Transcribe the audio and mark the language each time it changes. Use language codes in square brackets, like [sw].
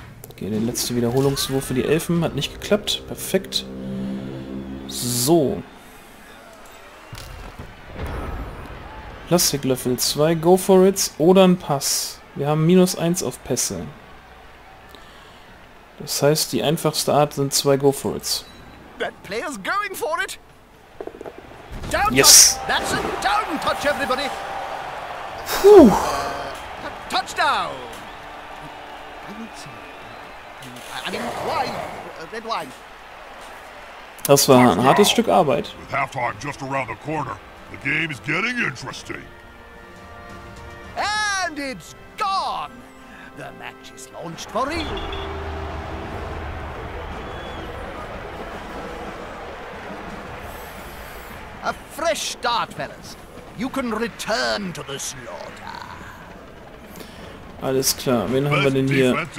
[de] Okay, der letzte Wiederholungswurf für die Elfen hat nicht geklappt. Perfekt. So. Plastiklöffel, 2 Go for it oder ein Pass. Wir haben minus 1 auf Pässe. Das heißt, die einfachste Art sind 2 Go for it. [en] That player's going for it. Yes! That's a down touch, everybody! Phew! Touchdown! I mean, wine! Red wine! [de] Das war ein hartes Stück Arbeit. [en] With halftime just around the corner, the game is getting interesting. And it's gone! The match is launched for real! A fresh start, fellas. You can return to the slaughter. [de] Alles klar, wen haben wir denn hier?